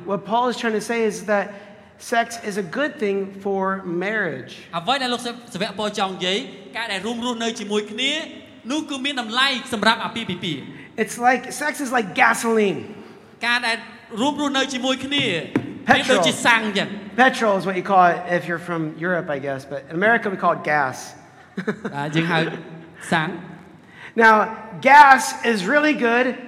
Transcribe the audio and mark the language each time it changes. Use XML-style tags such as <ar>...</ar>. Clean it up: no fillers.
<en>What Paul is trying to say is thatSex is a good thing for marriage.</en> <km>អ្វីដែលលោកសាវកពោចង់និយាយការដែលរួមរស់នៅជាមួយគ្នានោះគឺមានតម្លៃសម្រាប់អាពាហ៍ពិពាហ៍.</km> <en>It's like sex is like gasoline.</en> <km>ការដែលរួមរស់នៅជាមួយគ្នា វាដូច ជាសាំងចឹង.</km> <en>Petrol is what you call it if you're from Europe, I guess, but in America we call it gas.</en> <km>យើងហៅសាំង.</km> <en>Now, gas is really good.</en>